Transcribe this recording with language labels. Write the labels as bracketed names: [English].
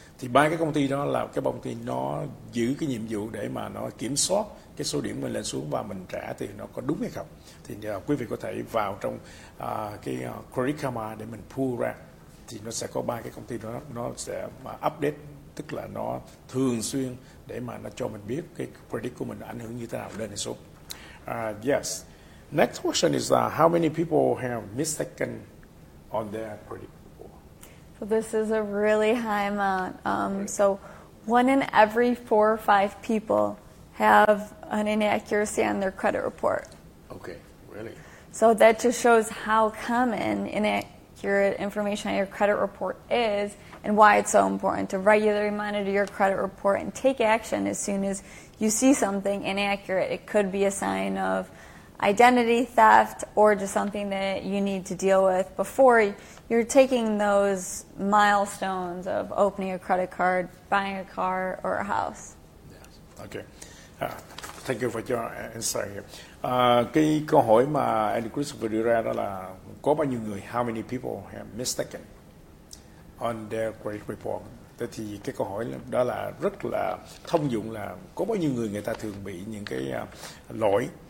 [Vietnamese] Thì 3 cái công ty đó là cái công ty nó giữ cái nhiệm vụ để mà nó kiểm soát cái số điểm mình lên xuống và mình trả tiền nó có đúng hay không. Thì quý vị có thể vào trong cái Credit Karma để mình pull ra. Thì nó sẽ có 3 cái công ty đó, nó sẽ update, tức là nó thường xuyên để mà nó cho mình biết cái credit của mình ảnh hưởng như thế nào lên hay xuống. [English] Yes. Next question is, how many people have mistaken on their credit report? So this is a really high amount. So 1 in every 4 or 5 people have an inaccuracy on their credit report. Okay, really? So that just shows how common inaccurate information on your credit report is, and why it's so important to regularly monitor your credit report and take action as soon as you see something inaccurate. It could be a sign of identity theft or just something that you need to deal with before you're taking those milestones of opening a credit card, buying a car or a house. Yes. Okay. Thank you for your answer here. [Vietnamese] Cái câu hỏi mà Andy Chris vừa đưa ra đó là có bao nhiêu người, [English] how many people have mistaken on their credit report? [Vietnamese] Thế thì cái câu hỏi đó là rất là thông dụng, là có bao nhiêu người, người ta thường bị những cái lỗi.